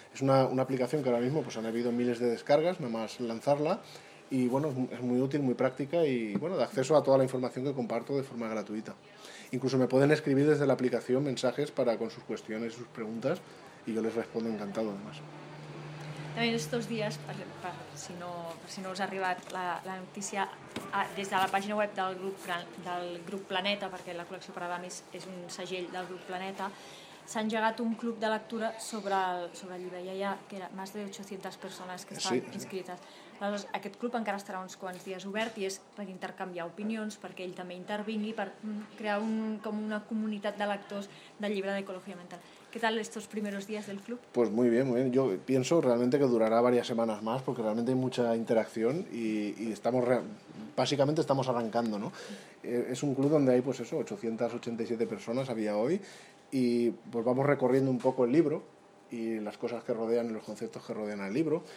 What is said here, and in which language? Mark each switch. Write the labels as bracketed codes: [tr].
[es] Es una aplicación que ahora mismo pues han habido miles de descargas nada más lanzarla, y bueno, es muy útil, muy práctica, y bueno, da acceso a toda la información que comparto de forma gratuita. Incluso me pueden escribir desde la aplicación mensajes para con sus cuestiones y sus preguntas, y yo les respondo encantado además. [ca] También estos dies, per si no us ha arribat la notícia, des de la pàgina web del grup Planeta, perquè la col·lecció Paradamis és un segell del grup Planeta, s'ha engegat un club de lectura sobre el llibre. Ja hi ha que era més de 800 persones que estan inscrites. Aleshores, aquest club encara estarà uns quants dies obert, i és per intercanviar opinions, perquè ell també intervingui, per crear com una comunitat de lectors del llibre d'ecologia mental. [es] ¿Qué tal estos primeros días del club? Pues muy bien, muy bien. Yo pienso realmente que durará varias semanas más, porque realmente hay mucha interacción y estamos básicamente arrancando, ¿no? Es un club donde hay pues eso, 887 personas había hoy, y pues vamos recorriendo un poco el libro y las cosas que rodean y los conceptos que rodean al libro.